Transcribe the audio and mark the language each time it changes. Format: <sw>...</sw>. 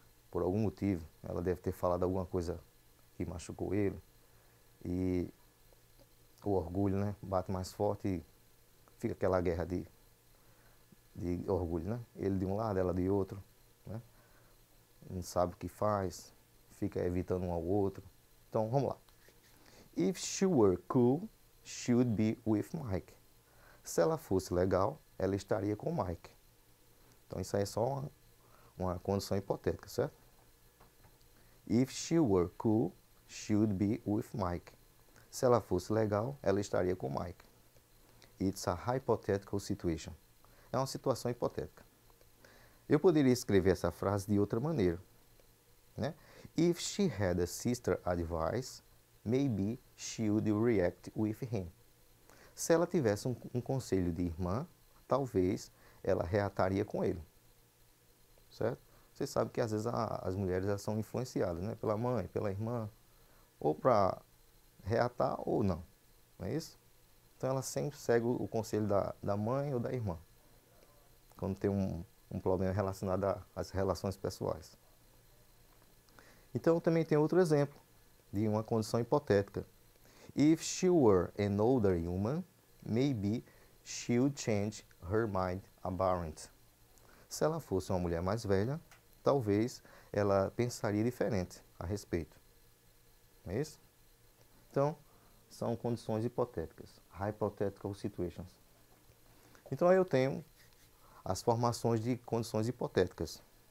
<pt>Por algum motivo, ela deve ter falado alguma coisa que machucou ele. E o orgulho, né, bate mais forte e fica aquela guerra de orgulho, né? Ele de um lado, ela de outro, né? Não sabe o que faz, fica evitando um ao outro. Então, vamos lá.</pt> <en>If she were cool, she would be with Mike.</en> <pt>Se ela fosse legal, ela estaria com Mike. Então, isso aí é só uma condição hipotética, certo?</pt> <en>If she were cool, she would be with Mike.</en> <pt>Se ela fosse legal, ela estaria com Mike.</pt> <en>It's a hypothetical situation.</en> <pt>É uma situação hipotética. Eu poderia escrever essa frase de outra maneira, né?</pt> <en>If she had a sister advice, maybe she would react with him.</en> <pt>Se ela tivesse um conselho de irmã, talvez ela reataria com ele. Certo? Você sabe que às vezes as mulheres já são influenciadas, né? Pela mãe, pela irmã, ou para reatar ou não. Não é isso? Então ela sempre segue o conselho da mãe ou da irmã, quando tem um problema relacionado às relações pessoais. Então também tem outro exemplo de uma condição hipotética.</pt> <en>If she were an older woman, maybe she would change her mind about it.</en> <pt>Se ela fosse uma mulher mais velha, talvez ela pensaria diferente a respeito. Não é isso? Então, são condições hipotéticas,</pt> <en>hypothetical situations.</en> <pt>Então, aí eu tenho as formações de condições hipotéticas.</pt>